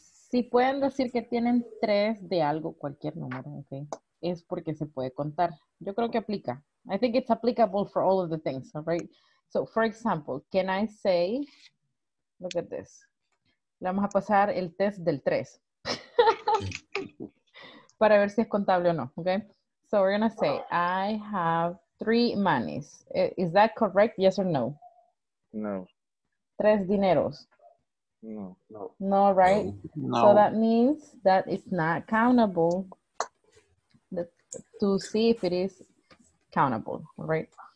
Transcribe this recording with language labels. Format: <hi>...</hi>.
<es>Si pueden decir que tienen tres de algo, cualquier número, okay, es porque se puede contar. Yo creo que aplica.</es> <en>I think it's applicable for all of the things, all right? So, for example, can I say, look at this.</en> <es>Le vamos a pasar el test del tres. Para ver si es contable o no, okay?</es> <en>So, we're going to say, I have three monies. Is that correct, yes or no? No.</en> <es>Tres dineros. No,</es> <en>no. No, right? No. So that means that it's not countable to see if it is countable, right?</en>